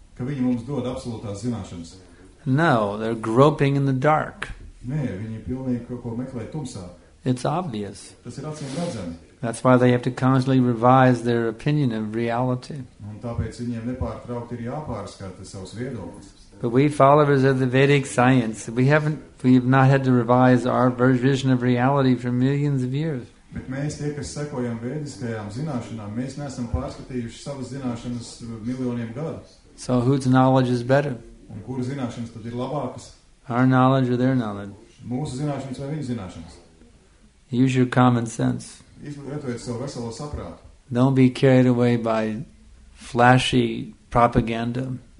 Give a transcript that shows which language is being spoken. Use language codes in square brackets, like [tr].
[lv] Ka viņi mums dod absolūtās zināšanas. [en] No, they're groping in the dark. [lv] Nē, viņi pilnīgi kaut ko meklē tumsā. [en] It's obvious. [lv] Tas ir acīm redzami. [en] That's why they have to constantly revise their opinion of reality. [lv] Un tāpēc viņiem nepārtraukti ir jāpārskata savus viedokļus. [en] But we followers of the Vedic science, we have not had to revise our vision of reality for millions of years. [lv] Bet mēs tie, kas sekojam vēdiskajām zināšanām, mēs neesam pārskatījuši savas zināšanas miljoniem gadu. [en] So whose knowledge is better? [lv] Un kuras zināšanas tad ir labākas? [en] Our knowledge or their knowledge? [lv] Mūsu zināšanas vai viņu zināšanas? [en] Use your common sense. [lv] Izmantojiet savu veselo saprātu. [en] Don't be carried away by flashy propaganda.